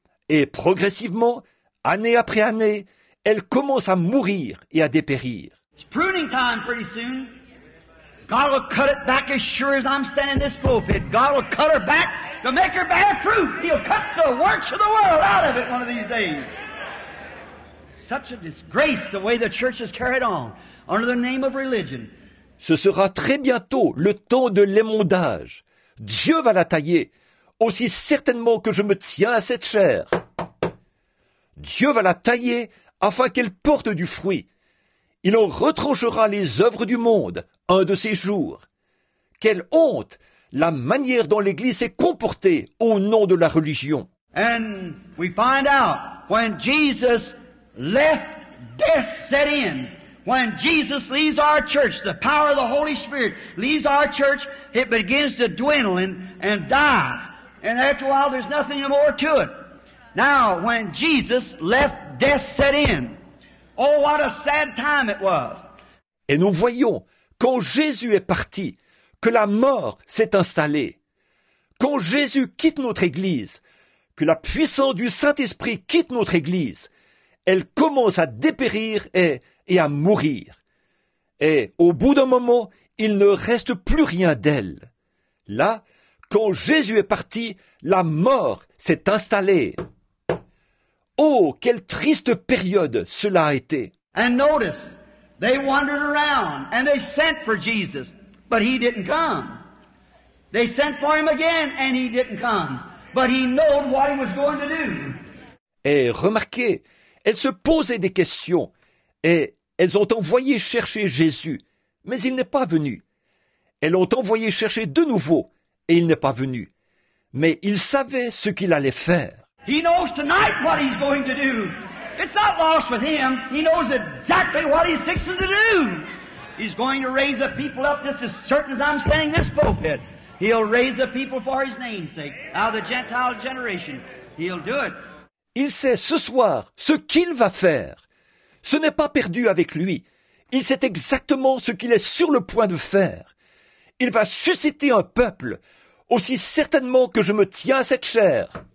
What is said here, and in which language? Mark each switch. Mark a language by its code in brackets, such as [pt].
[fr] Et progressivement, année après année, elle commence à mourir et à dépérir. [en] It's pruning time pretty soon. God will cut it back as sure as I'm standing this pulpit. God will cut her back to make her bear fruit. He'll cut the works of the world out of it one of these days. Such a disgrace the way the church has carried on under the name of religion. [fr] Ce sera très bientôt le temps de l'émondage. Dieu va la tailler aussi certainement que je me tiens à cette chair. Dieu va la tailler afin qu'elle porte du fruit. Il en retranchera les œuvres du monde un de ces jours. Quelle honte la manière dont l'Église s'est comportée au nom de la religion. [en] And we find out when Jesus left, death set in. When Jesus leaves our church, the power of the Holy Spirit leaves our church, it begins to dwindle and die. And after a while, there's nothing more to it. Now, when Jesus left, death set in. Oh, what a sad time it was. [fr] Et nous voyons, quand Jésus est parti, que la mort s'est installée. Quand Jésus quitte notre Église, que la puissance du Saint-Esprit quitte notre Église, elle commence à dépérir et à mourir. Et au bout d'un moment, il ne reste plus rien d'elle. Là, quand Jésus est parti, la mort s'est installée. Oh, quelle triste période cela a été. [en] And notice, they wandered around and they sent for Jesus, but he didn't come. They sent for him again and he didn't come, but he knew what he was going to do. [fr] Et remarquez, elles se posaient des questions et elles ont envoyé chercher Jésus, mais il n'est pas venu. Elles ont envoyé chercher de nouveau et il n'est pas venu. Mais il savait ce qu'il allait faire. [en] He knows tonight what he's going to do. It's not lost with him. He knows exactly what he's fixing to do. He's going to raise a people up just as certain as I'm standing this pulpit. He'll raise a people for his name's sake. Out of the Gentile generation. He'll do it. [fr] Il sait ce soir ce qu'il va faire. Ce n'est pas perdu avec lui. Il sait exactement ce qu'il est sur le point de faire. Il va susciter un peuple aussi certainement que je me tiens à cette chair.